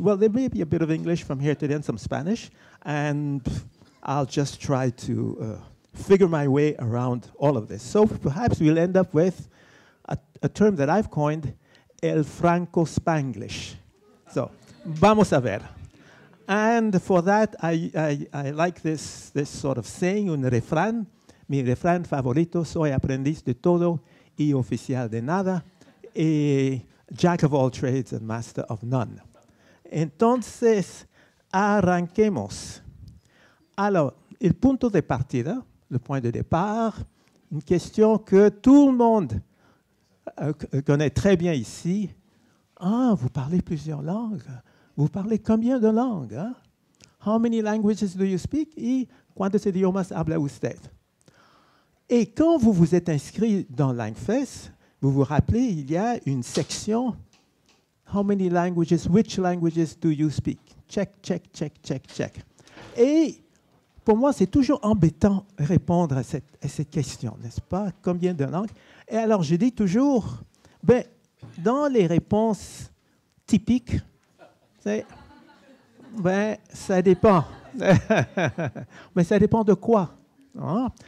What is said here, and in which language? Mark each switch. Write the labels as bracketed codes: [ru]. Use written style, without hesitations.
[en] Well, there may be a bit of English from here to there and some Spanish, and I'll just try to figure my way around all of this. So perhaps we'll end up with a term that I've coined, el Franco-Spanglish. So, [es] vamos a ver. [en] And for that, I like this sort of saying, [es] un refrán. Mi refrán favorito, soy aprendiz de todo y oficial de nada. Y [en] jack of all trades and master of none. [es] Entonces, arranquemos. [fr] Alors, [es] el punto de partida, [fr] le point de départ, une question que tout le monde connaît très bien ici. Ah, vous parlez plusieurs langues. Vous parlez combien de langues? [en] How many languages do you speak? [fr] Et [es] cuántos idiomas habla usted? [fr] Et quand vous vous êtes inscrit dans LangFest, vous vous rappelez, il y a une section. [en] How many languages, which languages do you speak? Check, check, check, check, check. [fr] Et pour moi, c'est toujours embêtant de répondre à cette question, n'est-ce pas? Combien de langues? Et alors, je dis toujours, ben, dans les réponses typiques, ben, ça dépend. Mais ça dépend de quoi? Hein?